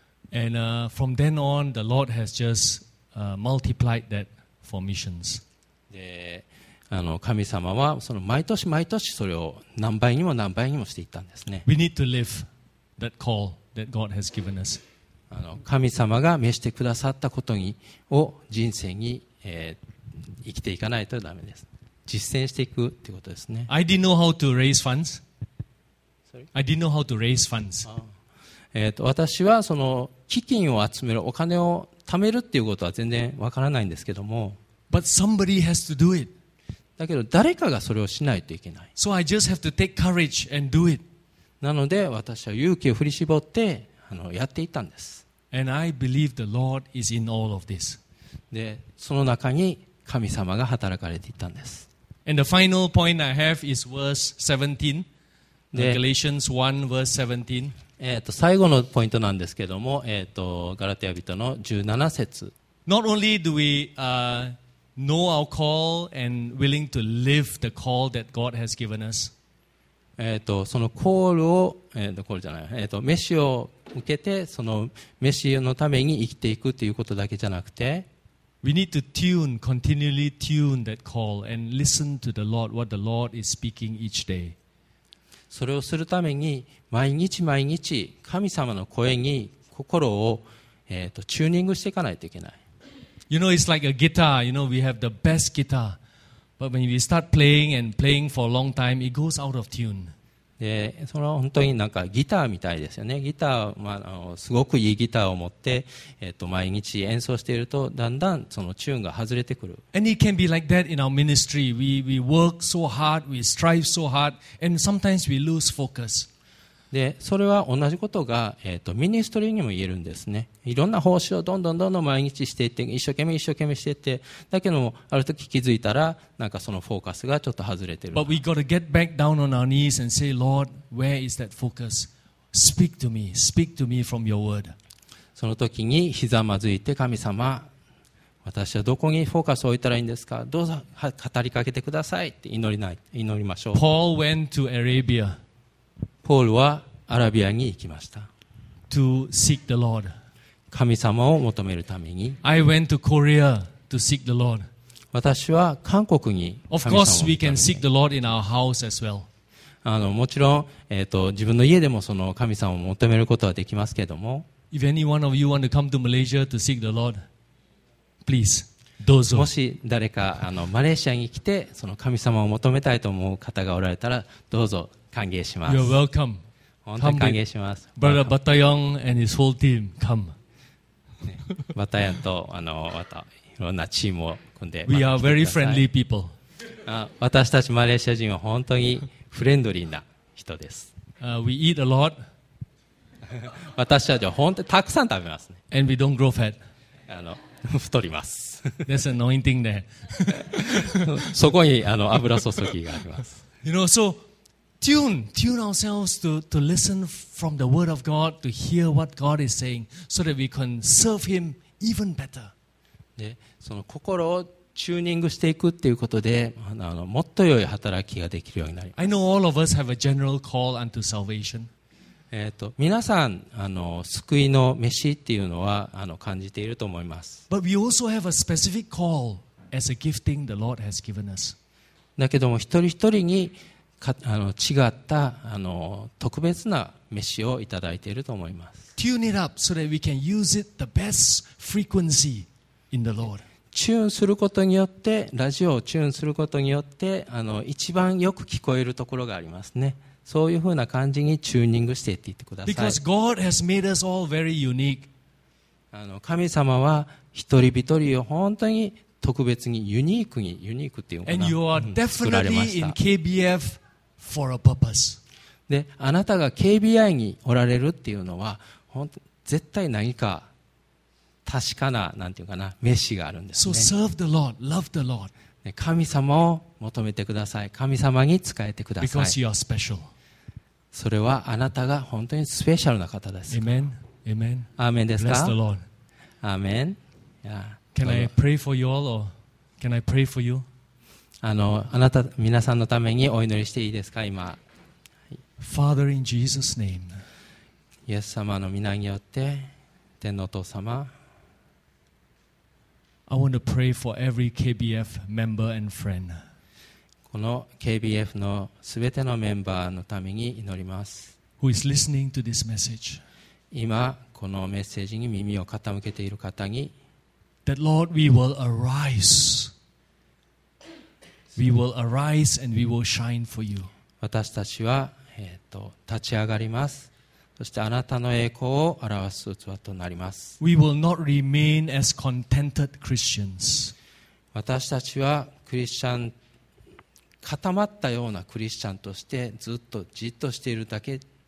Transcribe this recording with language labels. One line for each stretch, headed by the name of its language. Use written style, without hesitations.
English: And from then on, the Lord has just multiplied that for missions.
Japanese: で、神様はその毎年毎年それを何倍にも何倍にもしていったんですね。
English: We need to live that call that God has given us.
Japanese: 神様が召してくださったことにを人生に、生きていかないとダメです。実践していくってことですね。
English: I didn't know how to raise funds. Sorry? I didn't know how to raise funds.
Japanese: 私はその基金を集める、お金を貯めるっていうことは全然わからないんですけども、
English: But somebody has to do it.
Japanese: だけど誰かがそれをしないといけない。
English: So I just have to take courage and do it.
Japanese: なので私は勇気を振り絞ってやっていったんです。
English: And I believe the Lord is in all of this.
Japanese: でその中に神様が働かれていったんです。
English: And the final point I have is verse 17. Galatians 1 verse 17.
Japanese: 最後のポイントなんですけども、ガラテヤ人の17節。
English: Not only do we know our call and willing to live the call that God has given us.
Japanese: そのコールを、コールじゃない、メシを受けて、そのメシのために生きていくということだけじゃなくて、
English: We need to tune, continually tune that call and listen to the Lord, what the Lord is speaking each day.
Japanese: それをするために毎日毎日神様の声に心をチューニングしていかないといけない。
English: You know, it's like a guitar. You know, we have the best guitar. But when we start playing and playing for a long time, it goes out of tune.
Japanese: で、その本当になんかギターみたいですよね。ギター、すごくいいギターを持って、毎日演奏しているとだんだんそのチューンが外れてくる。
English: And it can be like that in our ministry. We work so hard, we strive so hard, and sometimes we lose focus.
Japanese: で、それは同じことが、ミニストリーにも言えるんですね。いろんな奉仕をどんどんどんどん毎日していって、一生懸命していって、だけどもある時気づいたら、なんかそのフォーカスがちょっと外れてる。
English: But we got to get back down on our knees and say, Lord, where is that focus? Speak to me. Speak to me from your word.
Japanese: その時にひざまずいて、神様、私はどこにフォーカスを置いたらいいんですか？どうぞ語りかけてくださいって祈りましょう。
English: Paul went to Arabia.
Japanese: ポールはアラビアに行きました。
English: To seek the Lord.
Japanese: 神様を求めるために。
English: I went to Korea to seek the Lord.
Japanese: 私は韓国に
English: Of course, we can seek the Lord in our house as well.
Japanese: もちろん、自分の家でもその神様を求めることはできますけれども。
English: If any one of you want to come to Malaysia to seek the Lord, please,
Japanese: どうぞ。もし誰かマレーシアに来てその神様を求めたいと思う方がおられたら、どうぞ。歓迎します。
English: You're welcome.
Japanese: 本当に歓迎します。
English: Brother Batayong and his whole team, come.
Japanese: わたやとあのわたいろんなチームを組んで。
English: We are very friendly people.
Japanese: 私たちマレーシア人は本当にフレンドリーな人です。
English: We eat a lot.
Japanese: 私たちは本当にたくさん食べますね。
English: And we don't grow fat.
Japanese: 太ります。
English: There's anointing there.
Japanese: そこにあの油注ぎがあります。
English: You know, so tune ourselves to listen from the word of God, to hear what God is saying, so that we can serve Him even better.
Japanese: でその心をチューニングしていくっていうことで、もっと良い働きができるようになります。
English: I know all of us have a general call unto salvation.
Japanese: 皆さん救いの召しっていうのは感じていると思います。
English: But we also have a specific call as a gifting the Lord has given us.
Japanese: だけども一人一人に違った特別な召しをいただいていると思います。
English: Tune it up so that we can use it the best frequency. In the Lord.
Japanese: チューンすることによってラジオをチューンすることによって一番よく聞こえるところがありますね。そういうふうな感じにチューニングしていっていってください。
English: Because God has made us all very unique.
Japanese: 神様は一人一人を本当に特別にユニークっていうのかな。
English: And you are definitely in KBF for a purpose.
Japanese: で、あなたが KBI におられるっていうのは本当絶対何か確かな、なんていうかな、メッシがあるんですね。
English: So serve the Lord, love the Lord.
Japanese: 神様を求めてください。神様に仕えてください。
English: Because you are special.
Japanese: それはあなたが本当にスペシャルな方です。
English: Amen. Amen.
Japanese: アーメンですか?
English: Bless the Lord. Amen. Can I pray for you all or can I pray for you?
Japanese: あなた、皆さんのためにお祈りしていいですか、今。
English: Father in Jesus' name.
Japanese: イエス様の皆によって、天のお父様、
English: I want to pray for every KBF member and friend.
Japanese: この KBF のすべてのメンバーのために祈ります。
English: Who is listening to this message?
Japanese: 今このメッセージに耳を傾けている方に、
English: That Lord, we will arise. We will arise and we will shine for you.
Japanese: 私たちは立ち上がります。そしてあなたの栄光を表す器となります。 We will not remain as contented Christians. 私たちはクリスチャン、固まったようなクリスチャンとしてずっとじっとしているだけ